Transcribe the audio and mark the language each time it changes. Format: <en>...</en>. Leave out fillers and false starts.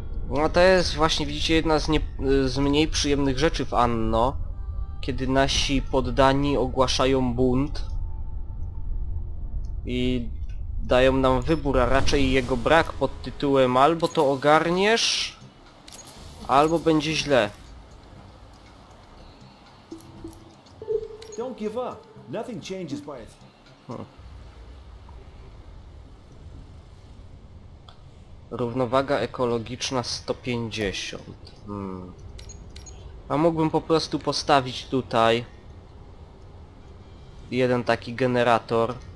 <pl>No to jest właśnie, widzicie, jedna z mniej przyjemnych rzeczy w Anno, kiedy nasi poddani ogłaszają bunt i dają nam wybór, a raczej jego brak, pod tytułem albo to ogarniesz, albo będzie źle.</pl> <en>Don't give up. Nothing changes by itself.</en> <pl>Równowaga ekologiczna 150. A mógłbym po prostu postawić tutaj jeden taki generator.</pl>